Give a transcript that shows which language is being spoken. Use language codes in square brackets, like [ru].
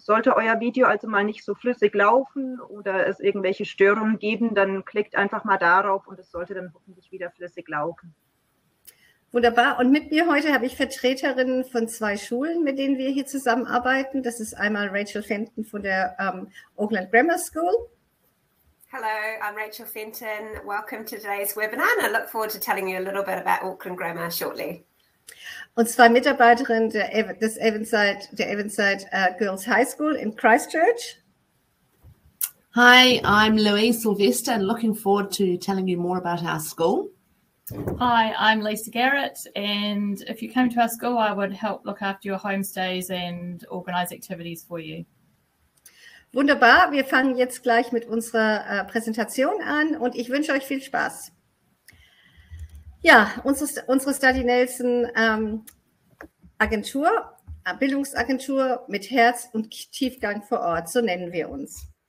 [de] Sollte euer Video also mal nicht so flüssig laufen oder es irgendwelche Störungen geben, dann klickt einfach mal darauf und es sollte dann hoffentlich wieder flüssig laufen. Wunderbar. Und mit mir heute habe ich Vertreterinnen von zwei Schulen, mit denen wir hier zusammenarbeiten. Das ist einmal Rachel Fenton von der Auckland Grammar School. [en] Hello, I'm Rachel Fenton. Welcome to today's webinar. And I look forward to telling you a little bit about Auckland Grammar shortly. [de] Und zwei Mitarbeiterinnen der Evanside Girls High School in Christchurch. [en] Hi, I'm Louise Sylvester and looking forward to telling you more about our school. Hi, I'm Lisa Garrett and if you came to our school, I would help look after your homestays and organize activities for you. [de] Wunderbar, wir fangen jetzt gleich mit unserer Präsentation an und ich wünsche euch viel Spaß. Ja, unsere Study Nelson Agentur, Bildungsagentur mit Herz und Tiefgang vor Ort, so nennen wir uns.